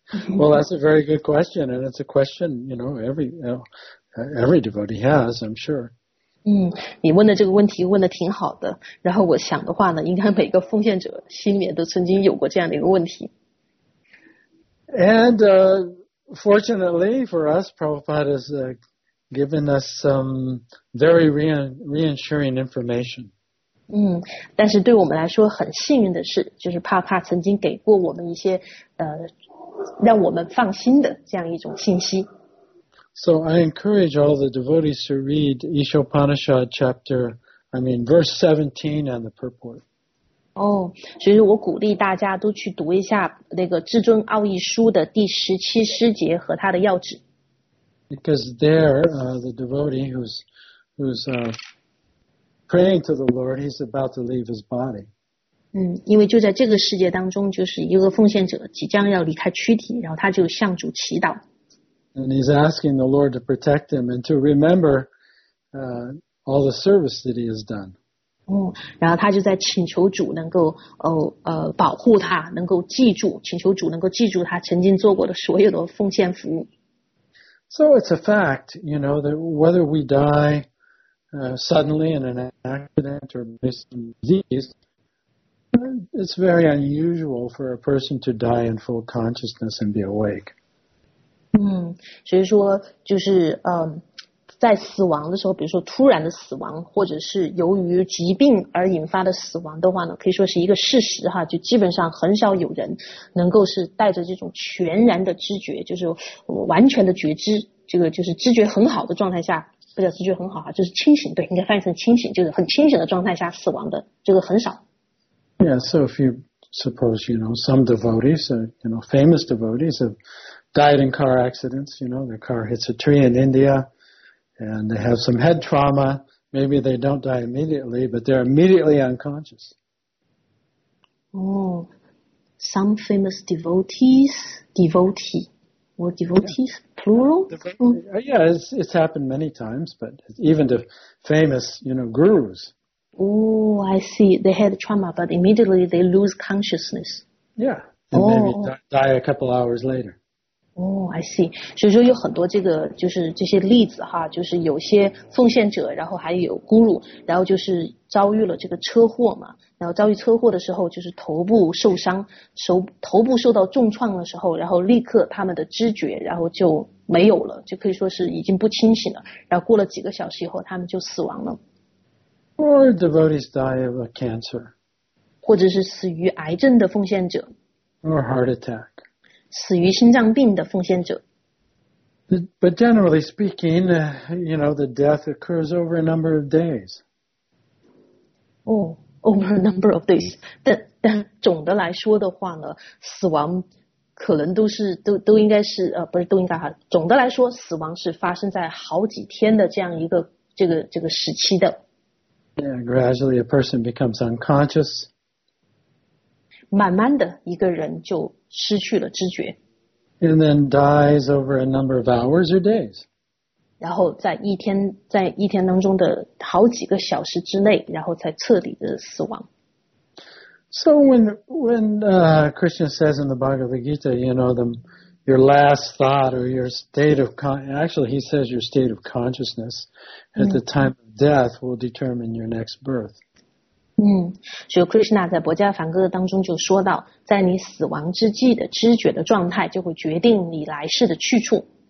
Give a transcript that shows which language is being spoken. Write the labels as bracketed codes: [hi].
[en] Well, that's a very good question, and it's a question, you know, every devotee has, I'm sure. [zh] 你问的这个问题问的挺好的。然后我想的话呢，应该每个奉献者心里面都曾经有过这样的一个问题。 [en] And, Fortunately for us, Prabhupada has given us some very reassuring information. [zh] 但是对我们来说很幸运的是，就是帕帕曾经给过我们一些让我们放心的这样一种信息。 [en] So I encourage all the devotees to read Ishopanishad verse 17 and the purport. [zh] 所以我鼓励大家都去读一下那个至尊奥义书的第十七师节和他的要旨。 [en] Because there, the devotee who's praying to the Lord, he's about to leave his body. [zh] 因为就在这个世界当中，就是一个奉献者即将要离开躯体，然后他就向主祈祷。 [en] And he's asking the Lord to protect him and to remember, all the service that he has done. [zh] 然后他就在请求主能够保护他能够记住请求主能够记住他曾经做过的所有的奉献服务。 [en] So it's a fact, you know, that whether we die suddenly in an accident or by some disease, it's very unusual for a person to die in full consciousness and be awake. [zh] 所以说就是在死亡的时候比如说突然的死亡或者是由于疾病而引发的死亡的话呢可以说是一个事实哈就基本上很少有人能够是带着这种全然的知觉就是完全的觉知这个就是知觉很好的状态下不叫知觉很好啊就是清醒对应该翻译成清醒就是很清醒的状态下死亡的这个很少。 [en] Yeah, so if you suppose, you know, some devotees, you know, famous devotees have died in car accidents, you know, their car hits a tree in India,And they have some head trauma. Maybe they don't die immediately, but they're immediately unconscious. Some famous devotees, plural? It's happened many times, but even to famous, you know, gurus. Oh, I see. They had trauma, but immediately they lose consciousness. Yeah, and maybe die a couple hours later. I see. [zh] 所以说有很多这个就是这些例子哈，就是有些奉献者，然后还有咕噜，然后就是遭遇了这个车祸嘛。然后遭遇车祸的时候，就是头部受伤，头部受到重创的时候，然后立刻他们的知觉，然后就没有了，就可以说是已经不清醒了。然后过了几个小时以后，他们就死亡了。 [en] Or devotees die of a cancer. [zh] 或者是死于癌症的奉献者。 [en] Or heart attack. [zh] 死于心脏病的奉献者。 [en] But generally speaking, you know, the death occurs over a number of days. Over a number of days. [zh] 但总的来说的话呢，死亡可能都是都应该是不是都应该哈。总的来说，死亡是发生在好几天的这样一个这个时期的。 [en] Yeah, gradually a person becomes unconscious. [zh] 慢慢的一个人就失去了知觉。 [en] And then dies over a number of hours or days. [zh] 然后在一天当中的好几个小时之内，然后才彻底的死亡。 [en] So when Krishna says in the Bhagavad Gita, you know, your last thought or your state of actually he says your state of consciousness at the time of death will determine your next birth. [zh] 嗯，所以 Krishna 在《薄伽梵歌》当中就说到，在你死亡之际的知觉的状态就会决定你来世的去处。